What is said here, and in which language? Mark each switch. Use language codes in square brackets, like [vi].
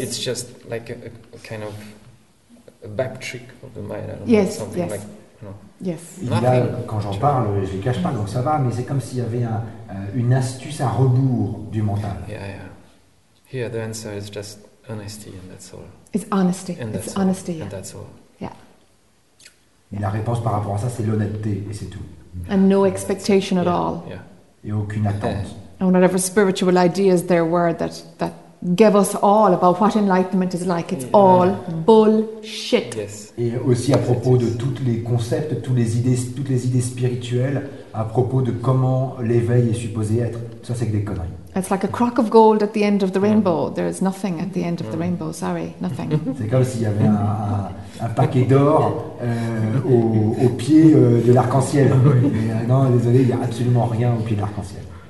[en] it's just like a kind of a back trick of the mind. I don't yes, know, yes. Like, no. Yes. [fr] Et [en] nothing. [fr] Là, quand j'en parle, je les cache pas, donc ça va. Mais c'est comme s'il y avait une astuce à rebours du mental. [en] Yeah. Here, the answer is just honesty, and that's all. It's honesty. And it's honesty. And that's all. Yeah. [fr] Et la réponse par rapport à ça, c'est l'honnêteté, et c'est tout. [en] And no expectation at all. Yeah. [fr] Et aucune attente. [en] And whatever spiritual ideas there were that give us all about what enlightenment is like, it's all bullshit. Yes. [fr] Et aussi à propos de tous les concepts, toutes les idées spirituelles, à propos de comment l'éveil est supposé être, ça c'est que des conneries. [en] It's like a crock of gold at the end of the rainbow. There is nothing at the end of the rainbow. Sorry, nothing. [fr] C'est comme s'il y avait un paquet d'or au pied de l'arc-en-ciel. Non, désolé, il n'y a absolument rien au pied de l'arc-en-ciel.